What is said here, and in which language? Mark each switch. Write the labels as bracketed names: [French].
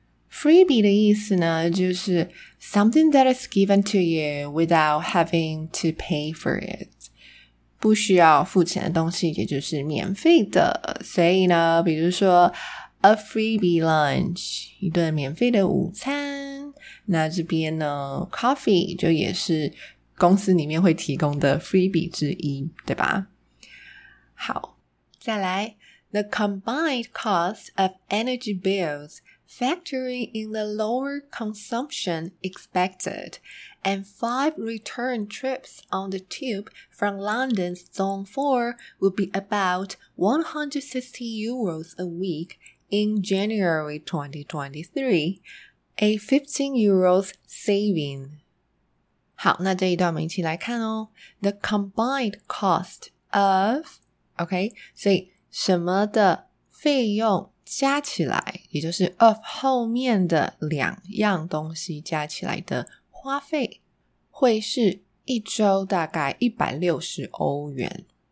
[Chinese] Freebie 的意思呢就是 [English] something that is given to you without having to pay for it， [Chinese] 不需要付钱的东西，也就是免费的。所以呢比如说 [English] a freebie lunch， [Chinese] 一顿免费的午餐。那这边呢 coffee 就也是公司里面会提供的 freebie 之一，对吧？好，再来， [English] the combined cost of energy billsfactoring in the lower consumption expected and 5 return trips on the tube from London's Zone 4 would be about 160 euros a week in January 2023, a 15 euros saving. [Chinese] 好，那这一段我们一起来看哦。 [English] The combined cost of, okay, [Chinese] 所以什么的费用加起来，也就是 of 后面的两样东西加起来的花费会是一周大概160欧元。